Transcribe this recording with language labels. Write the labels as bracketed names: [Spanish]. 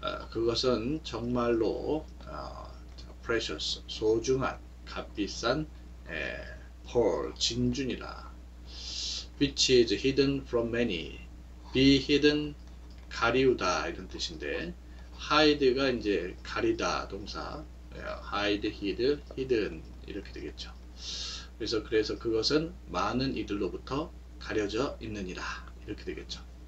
[Korean] 그것은 정말로 precious, 소중한, 값비싼 pearl, 진주니라. [English] Which is hidden from many. [Korean] Be hidden, 가리우다 이런 뜻인데, hide가 이제 가리다 동사. Hide, hidden, 이렇게 되겠죠. 그래서 그것은 많은 이들로부터 가려져 있느니라 이렇게 되겠죠.